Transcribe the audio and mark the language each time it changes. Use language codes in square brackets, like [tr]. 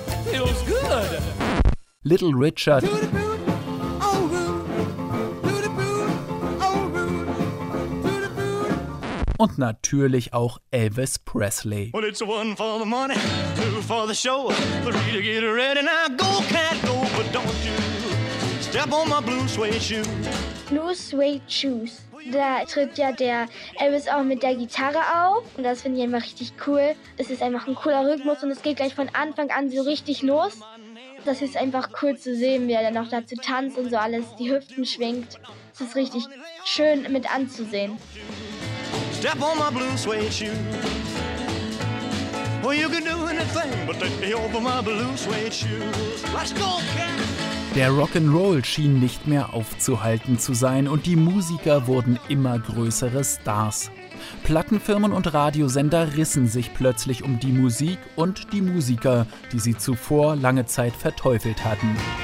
[en] Feels good. Little Richard. [de] Und natürlich auch Elvis Presley. [en] Well, it's one for the money, two for the show. Three to get ready, now go, cat, go. But don't you step on my blue suede shoes. Blue suede shoes. [de] Da tritt ja der Elvis auch mit der Gitarre auf. Und das finde ich einfach richtig cool. Es ist einfach ein cooler Rhythmus und es geht gleich von Anfang an so richtig los. Das ist einfach cool zu sehen, wie er dann auch dazu tanzt und so alles die Hüften schwingt. Es ist richtig schön mit anzusehen. [en] Step on my blue suede shoe. Well, you can do anything, but take me over my blue suede shoe. Let's go, cat! [de] Der Rock'n'Roll schien nicht mehr aufzuhalten zu sein und die Musiker wurden immer größere Stars. Plattenfirmen und Radiosender rissen sich plötzlich um die Musik und die Musiker, die sie zuvor lange Zeit verteufelt hatten.